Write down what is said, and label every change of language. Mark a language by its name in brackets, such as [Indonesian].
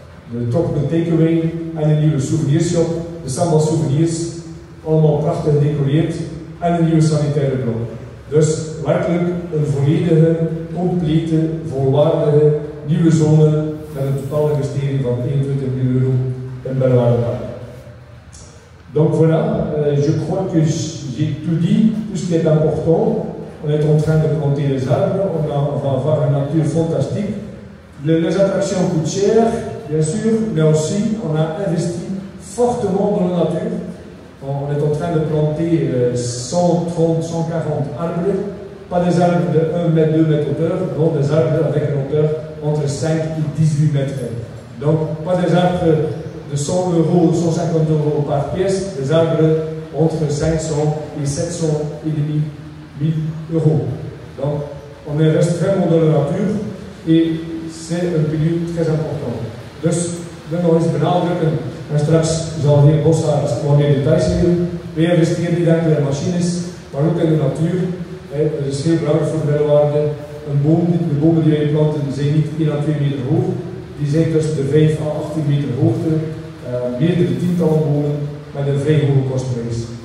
[Dutch] De Tropical Takeaway en een nieuwe souvenirshop. De Sambal Souvenirs, allemaal prachtig gedecoreerd. En een nieuwe sanitaire blok. Dus werkelijk een volledige, complete, volwaardige. Nieuwe zone met een totale investering van 21 miljoen euro in Bellewaerde. [French] Donc voilà, je crois que j'ai tout dit, tout ce qui est important. On est en train de planter les arbres, on va avoir une nature fantastique. Les attractions coûtent cher, bien sûr, mais aussi on a investi fortement dans la nature. On est en train de planter 130-140 arbres, pas des arbres de 1 mètre, 2 mètres hauteur, non des arbres avec une hauteur entre 5 et 18 mètres. Donc, pas des arbres de 100 euros ou 150 euros par pièce, des arbres entre 500 et 700 et demi 1000 euros. Donc, on reste vraiment dans la nature et c'est un pilier très important. [Dutch] Dus, we nog eens benadrukken, en straks zal de heer Bossaerts wat meer details geven. Wij investeren niet enkel in machines, maar ook in de natuur. Het is heel belangrijk voor de Bellewaerde. De bomen die wij planten zijn niet 1 à 2 meter hoog, die zijn tussen de 5 à 18 meter hoogte, meerdere tientallen bomen met een vrij hoge kostprijs.